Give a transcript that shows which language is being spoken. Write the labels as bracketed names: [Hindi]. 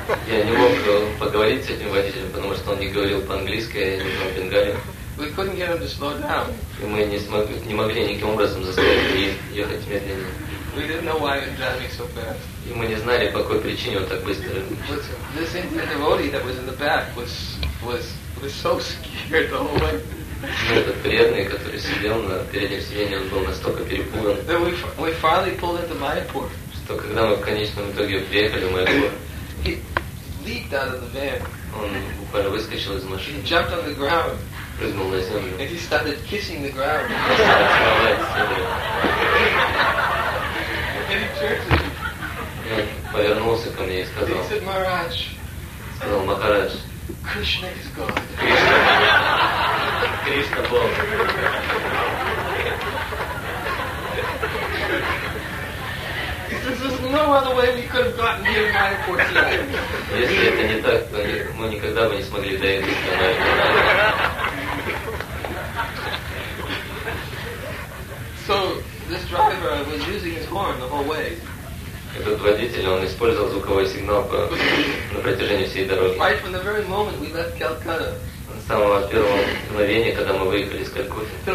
[Russian] Я не мог поговорить с этим водителем, потому что он не говорил по-английски, а не знал Бенгали. [English] We couldn't get him to slow down. [Russian] И мы не могли никаким образом заставить ехать медленнее. [English] We didn't know why he was driving so fast. [Russian] И мы не знали, по какой причине он так быстро. [English] This Indian devotee that was in the back was so scared the whole way. [Russian] Ну, этот преданный, который сидел на переднем сиденье, он был настолько перепуган, [English] we finally pulled into Mayapur. [Russian] Что когда мы в конечном итоге приехали в Майпур, [English] he leaped out of the van. [Russian] Он буквально выскочил из машины. [English] He jumped on the ground. [Russian] Прыгнул на землю. [English] And he started kissing the ground. And he turned to me. [Russian] Он повернулся ко мне и сказал. [English] He said, Maharaj. [Russian] Сказал, Махарадж. [English] Krishna is God. [Russian] Krishna Bog. [English] He says, there's no other way we could have gotten here in Mayapur tonight. [Russian] Если это не так, то мы никогда бы не смогли доехать до Mayapur. [English] So this driver was using his horn the whole way. [Russian] Этот водитель, он использовал звуковой сигнал на протяжении всей дороги. [English] Right from the very moment we left Calcutta. [Russian] С самого первого мгновения, когда мы выехали из Калькутты.